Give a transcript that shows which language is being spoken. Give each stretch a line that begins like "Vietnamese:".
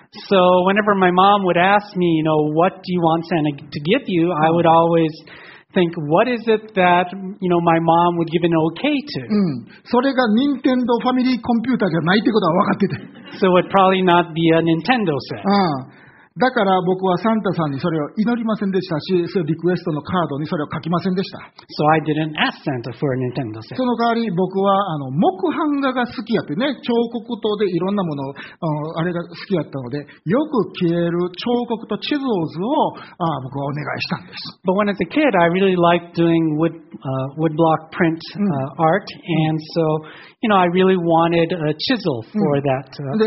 English: So whenever my mom would ask me, you know, what do you want Santa to give you, I would always think, what is it that, you know, my mom would give an okay to? うん。
Japanese: それが Nintendo Family Computer じゃないってことは分かってて。
English: So it would probably not be a Nintendo set.
Japanese: だから僕はサンタさんにそれを祈りませんでしたし、そのリクエストのカードにそれを書きませんでした。
English: So I didn't ask Santa for a Nintendo set.
Japanese: その代わり僕はあの木版画が好きやってね、彫刻刀でいろんなものを あれが好きやったので、よく消える彫刻と地図を僕はお願いしたんです。
English: But when I was a kid, I really liked doing woodblock print art, and so you know I really wanted a chisel for that work.